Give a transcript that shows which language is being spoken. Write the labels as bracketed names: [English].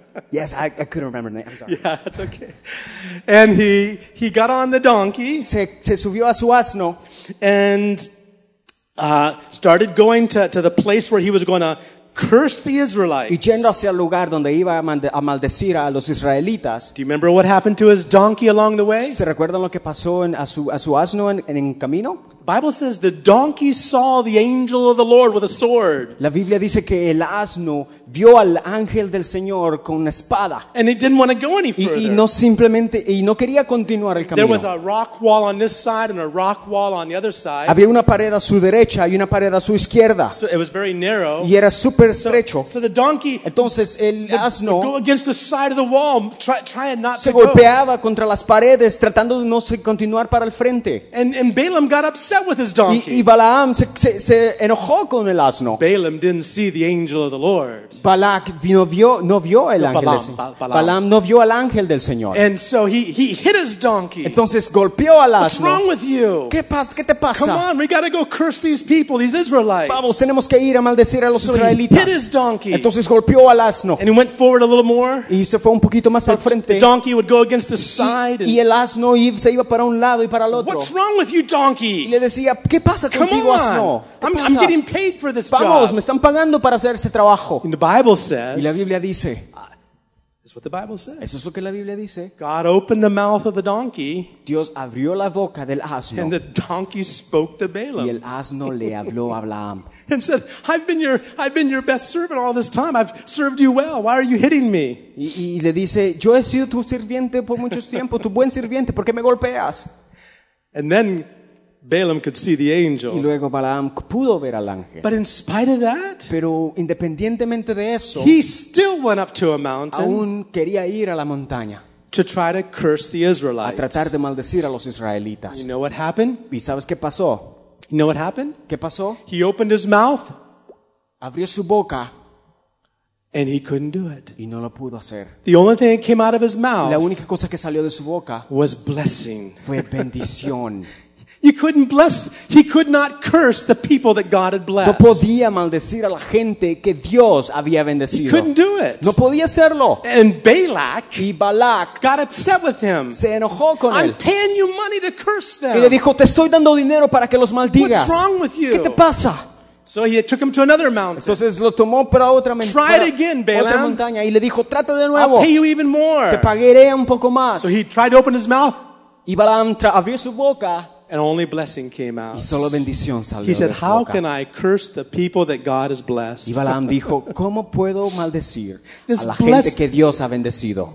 [English] Yes, I couldn't remember the name. I'm sorry. Yeah, that's okay. And he got on the donkey. [Spanish] Se subió a su asno. [English] And started going to the place where he was going to curse the Israelites. [Spanish] Y yendo hacia el lugar donde iba a maldecir a los israelitas. [English] Do you remember what happened to his donkey along the way? [Spanish] ¿Se recuerdan lo que pasó a su asno en camino? [English] Bible says the donkey saw the angel of the Lord with a sword. [Spanish] La Biblia dice que el asno vio al ángel del Señor con una espada. [English] And it didn't want to go any further. [Spanish] Y no quería continuar el camino. [English] There was a rock wall on this side and a rock wall on the other side. [Spanish] Había una pared a su derecha y una pared a su izquierda. [English] So it was very narrow. [Spanish] Y era súper estrecho. [English] So the donkey, [Spanish] entonces el asno, [English] would go against the side of the wall, trying not to go. [Spanish] Se golpeaba contra las paredes tratando de no continuar para el frente. [English] And Balaam got upset with his donkey. [Spanish] Y Balaam se enojó con el asno. [English] Balaam didn't see the angel of the Lord. [Spanish] Balak no vio el ángel del Señor. [English] Balaam [Spanish] no vio al ángel del Señor. [English] And so he hit his donkey. [Spanish] Entonces golpeó al asno. [English] What's wrong with you? [Spanish] ¿Qué te pasa? [English] Come on, we gotta go curse these people, these Israelites. [Spanish] Vamos, tenemos que ir a maldecir a los [English] so [Spanish] israelitas. [English] He hit his donkey. [Spanish] Entonces golpeó al asno. [English] And he went forward a little more. [Spanish] Y se fue un poquito más al frente. [English] The donkey would go against the side. [Spanish] Y el asno se iba para un lado y para el otro. [English] What's wrong with you, donkey? [Spanish] Y le decía, ¿qué pasa contigo, asno? [English] I'm getting paid for this [Spanish] Vamos, [English] job. [Spanish] Vamos, me están pagando para hacer ese trabajo. [English] And the Bible says. [Spanish] Y la Biblia dice. [English] That's what the Bible says. [Spanish] Eso es lo que la Biblia dice. [English] God opened the mouth of the donkey. [Spanish] Dios abrió la boca del asno. [English] And the donkey spoke to Balaam. [Spanish] Y el asno le habló a Balaam. [English] And said, I've been your best servant all this time. I've served you well. Why are you hitting me? [Spanish] Y le dice, yo he sido tu sirviente por mucho tiempo, tu buen sirviente. ¿Por qué me golpeas? [English] And then Balaam could see the angel. [Spanish] Y luego Balaam pudo ver al ángel. [English] But in spite of that, [Spanish] pero independientemente de eso, [English] he still went up to a mountain. [Spanish] Aún quería ir a la montaña. [English] To try to curse the Israelites. [Spanish] A tratar de maldecir a los israelitas. [English] You know what happened? [Spanish] ¿Y sabes qué pasó? [English] You know what happened? [Spanish] ¿Qué pasó? [English] He opened his mouth. [Spanish] Abrió su boca. [English] And he couldn't do it. [Spanish] Y no lo pudo hacer. [English] The only thing that came out of his mouth. [Spanish] La única cosa que salió de su boca [English] was blessing. [Spanish] Fue bendición. [English] He couldn't bless. He could not curse the people that God had blessed. [Spanish] No podía maldecir a la gente que Dios había bendecido. [English] He couldn't do it. [Spanish] No podía hacerlo. [English] And Balak, [Spanish] y Balak [English] got upset with him. [Spanish] Se enojó con [English] I'm [Spanish] él. [English] I'm paying you money to curse them. [Spanish] Y le dijo, te estoy dando dinero para que los maldigas. [English] What's wrong with you? [Spanish] ¿Qué te pasa? [English] So he took him to another mountain. [Spanish] Entonces lo tomó para otra montaña. [English] Try it again, Balaam. [Spanish] Otra montaña y le dijo, trata de nuevo. [English] I'll pay you even more. [Spanish] Te pagaré un poco más. [English] So he tried to open his mouth. [Spanish] Y Balaam abrió su boca. [English] And only blessing came out. [Spanish] Y solo bendición salió [English] he said, "How can I curse the people that God has blessed?" [Spanish] Y Balaam dijo, "¿Cómo puedo maldecir a la gente que Dios ha bendecido?"